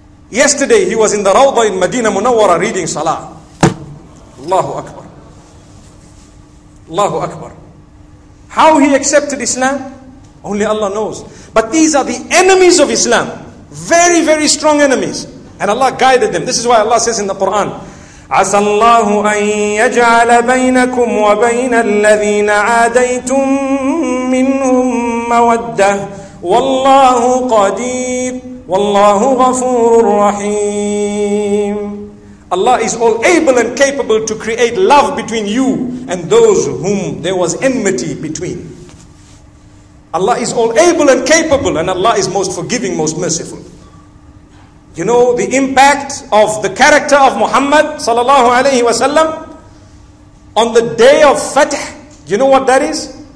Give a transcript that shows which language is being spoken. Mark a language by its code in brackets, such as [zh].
[en] Yesterday he was in the Rawda in Medina Munawwara reading Salah. [ar] Allahu Akbar. Allahu Akbar. [en] How he accepted Islam? Only Allah knows. But these are the enemies of Islam. Very, very strong enemies. And Allah guided them. This is why Allah says in the Quran, [ar] "عَسَى اللَّهُ أَن يَجْعَلَ بَيْنَكُمْ وَبَيْنَ الَّذِينَ عَادَيْتُمْ مِنْهُمْ مَوَدَّةٌ وَاللَّهُ قَدِيرٌ وَاللَّهُ غَفُورٌ رَحِيمٌ." [en] Allah is all able and capable to create love between you and those whom there was enmity between. Allah is all able and capable, and Allah is most forgiving, most merciful. You know the impact of the character of Muhammad sallallahu alayhi wa sallam on the day of Fath. You know what that is?